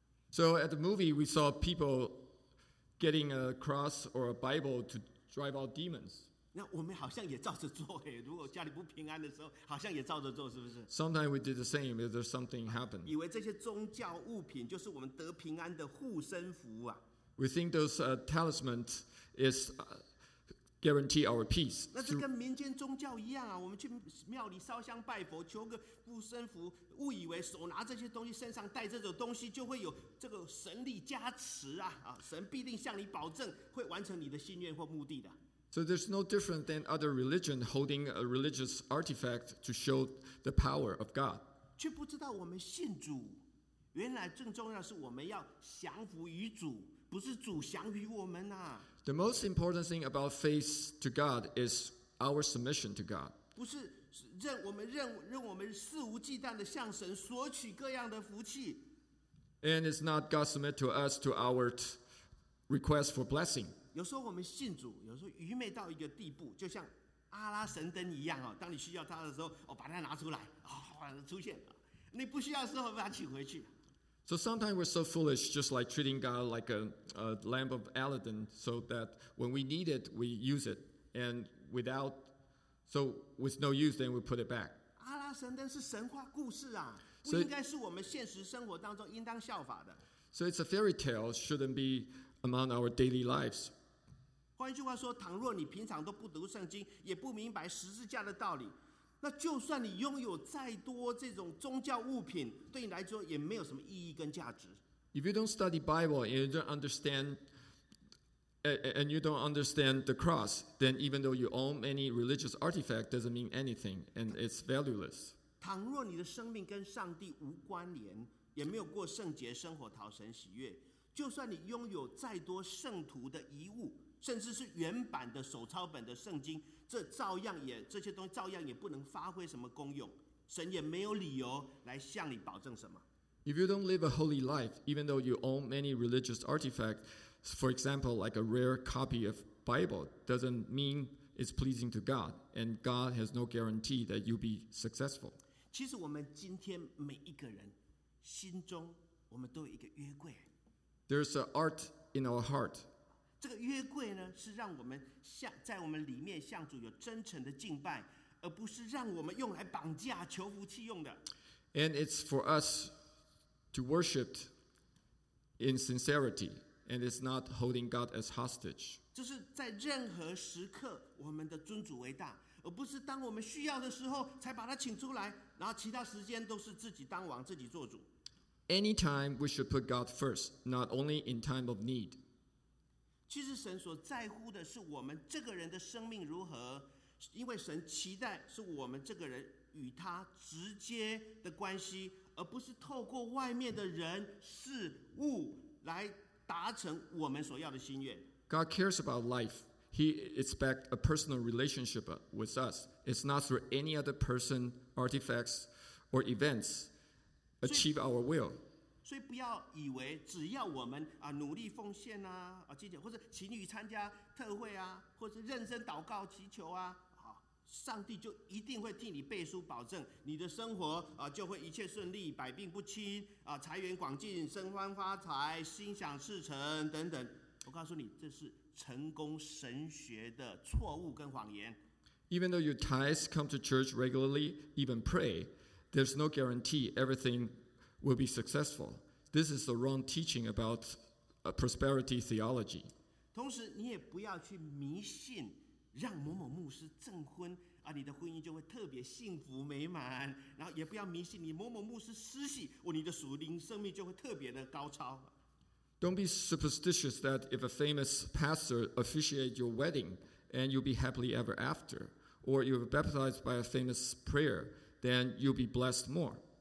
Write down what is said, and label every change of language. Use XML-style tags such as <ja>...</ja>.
<en>So at the movie, we saw people getting a cross or a Bible to drive out demons.</en> <zh>那我们好像也照着做耶，如果家里不平安的时候，好像也照着做，是不是</zh> <en>？Sometimes we did the same if there's something happened.</en> <zh>以为这些宗教物品就是我们得平安的护身符啊。</zh> <en>We think those talismans is guarantee our peace.</en> <zh>那是跟民间宗教一样啊，我们去庙里烧香拜佛，求个护身符，误以为手拿这些东西，身上带这种东西就会有这个神力加持啊，神必定向你保证会完成你的心愿或目的的。</zh> <en>So there's no different than other religion holding a religious artifact to show the power of God.</en> <zh>却不知道我们信主，原来最重要的是我们要降服于主，不是主降于我们啊。</zh> <en>The most important thing about faith to God is our submission to God.</en> <zh>不是任我们肆无忌惮地向神索取各样的福气。</zh> <en>And it's not God submit to us to our request for blessing.</en> <zh>有时候我们信主，有时候愚昧到一个地步，就像阿拉神灯一样哦。当你需要它的时候，我把它拿出来，出现了；你不需要的时候，把它请回去。</zh> <en>So sometimes we're so foolish, just like treating God like a lamp of Aladdin, so that when we need it, we use it, and without, so with no use, then we put it back.</en> <zh>阿拉神灯是神话故事啊，不应该是我们现实生活当中应当效法的。</zh> <en>So it's a fairy tale, shouldn't be. Among our daily lives.</en> <zh>换句话说，倘若你平常都不读圣经，也不明白十字架的道理，那就算你拥有再多这种宗教物品，对你来说也没有什么意义跟价值。</zh> <en>If you don't study Bible and you don't understand, and you don't understand the cross, then even though you own many religious artifacts, doesn't mean anything, and it's valueless.</en> <zh>倘若你的生命跟上帝无关联，也没有过圣洁生活讨神喜悦。就算你拥有再多圣徒的遗物，甚至是原版的手抄本的圣经，这些东西照样也不能发挥什么功用。神也没有理由来向你保证什么。</zh> <en>If you don't live a holy life, even though you own many religious artifacts, for example, like a rare copy of Bible, doesn't mean it's pleasing to God, and God has no guarantee that you'll be successful.</en> <zh>其实我们今天每一个人心中，我们都有一个约柜。</zh> <en>There's an ark in our heart.</en> <zh>这个约柜呢，是让我们向在我们里面向主有真诚的敬拜，而不是让我们用来绑架求福气用的。</zh> <en>And it's for us to worship in sincerity, and it's not holding God as hostage.</en> <zh>就是在任何时刻，我们的尊主为大，而不是当我们需要的时候才把他请出来，然后其他时间都是自己当王，自己做主。</zh> <en>Anytime we should put God first, not only in time of need.</en> <zh>其实神所在乎的是我们这个人的生命如何，因为神期待是我们这个人与他直接的关系，而不是透过外面的人事物来达成我们所要的心愿。</zh> <en>God cares about life. He expects a personal relationship with us. It's not through any other person, artifacts, or events. Achieve our will.</en> <zh>所以不要以为只要我们啊努力奉献啊啊祈求，或者勤于参加特会啊，或者认真祷告祈求啊。上帝就一定会替你背书保证你的生活、就会一切顺利，百病不侵、财源广进，升官发财，心想事成等等。我告诉你，这是成功神学的错误跟谎言。</zh> <en>Even though you tithe, come to church regularly, even pray, there's no guarantee everything will be successful. This is the wrong teaching about prosperity theology.</en> <zh>同时你也不要去迷信让某某牧师证婚、你的婚姻就会特别幸福美满，然后也不要迷信你某某牧师施洗、你的属灵生命就会特别的高超。</zh> <en>Don't be superstitious that if a famous pastor officiate your wedding and you'll be happily ever after, or you're baptized by a famous prayer, then you'll be blessed more.</en>